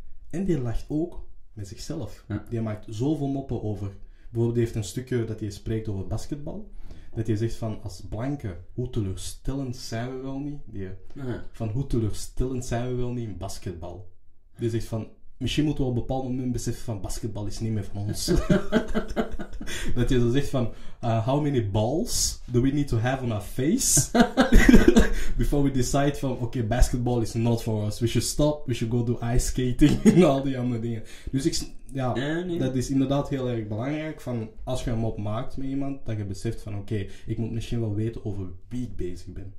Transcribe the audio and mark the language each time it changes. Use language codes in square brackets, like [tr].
[nl] En die lacht ook met zichzelf. Ja. Die maakt zoveel moppen over, bijvoorbeeld, die heeft een stukje dat hij spreekt over basketbal. Dat je zegt van, als blanke, hoe teleurstellend zijn we wel niet? Die, van, hoe teleurstellend zijn we wel niet in basketbal? Die zegt van, misschien moeten we op een bepaald moment beseffen van, basketbal is niet meer van ons. Dat je zo zegt van, [en] how many balls do we need to have on our face? Before we decide van, okay, basketball is not for us. We should stop, we should go do ice skating [nl] en al die andere dingen. Dus ik... Ja, dat is inderdaad heel erg belangrijk. Van als je een mop maakt met iemand, dat je beseft van oké, ik moet misschien wel weten over wie ik bezig ben.